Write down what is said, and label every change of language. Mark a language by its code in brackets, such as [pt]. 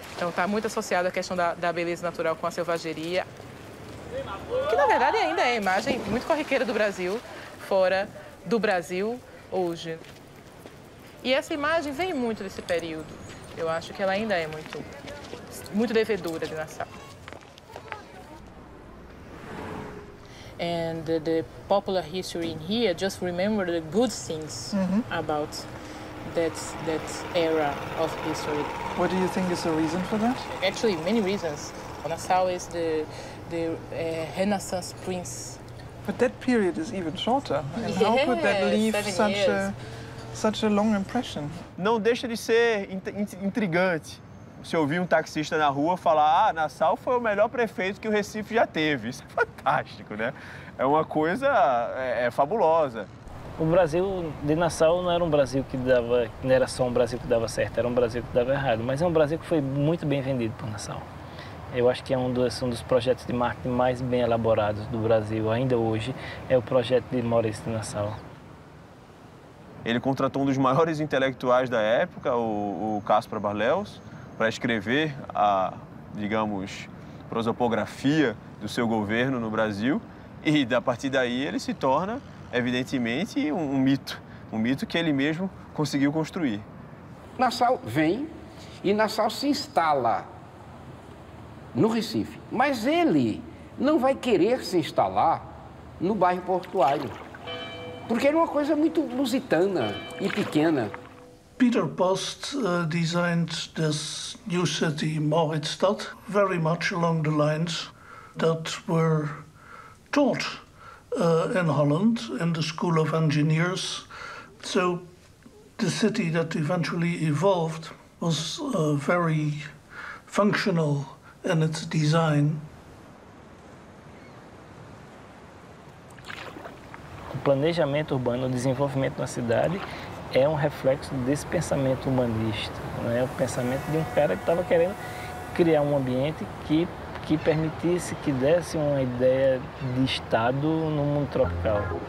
[pt] Então está muito associada a questão da beleza natural com a selvageria, que na verdade ainda é a imagem muito corriqueira do Brasil, fora do Brasil hoje. E essa imagem vem muito desse período, eu acho que ela ainda é muito, muito devedora de Nassau. [en] And the popular history in here just remember the good things about that era of history. What do you think is the reason for that? Actually, many reasons. Nassau is the Renaissance prince. But that period is even shorter. And yeah, how could that leave such a long impression? [pt] Não deixa de ser intrigante. Se ouvir um taxista na rua falar, ah, Nassau foi o melhor prefeito que o Recife já teve. Isso é fantástico, né? É uma coisa fabulosa. O Brasil de Nassau não era um Brasil que dava, não era só um Brasil que dava certo, era um Brasil que dava errado. Mas é um Brasil que foi muito bem vendido por Nassau. Eu acho que é um dos projetos de marketing mais bem elaborados do Brasil ainda hoje, é o projeto de Maurício de Nassau. Ele contratou um dos maiores intelectuais da época, o Caspar Barleus, para escrever a, digamos, prosopografia do seu governo no Brasil. E, a partir daí, ele se torna, evidentemente, um mito que ele mesmo conseguiu construir. Nassau vem e Nassau se instala no Recife. Mas ele não vai querer se instalar no bairro portuário, porque era uma coisa muito lusitana e pequena. [en] Peter Post designed this new city, Mauritsstadt, very much along the lines that were taught in Holland in the School of Engineers. So the city that eventually evolved was very functional in its design. [pt] O planejamento urbano, o desenvolvimento na cidade, é um reflexo desse pensamento humanista, né? O pensamento de um cara que estava querendo criar um ambiente que permitisse, que desse uma ideia de Estado no mundo tropical.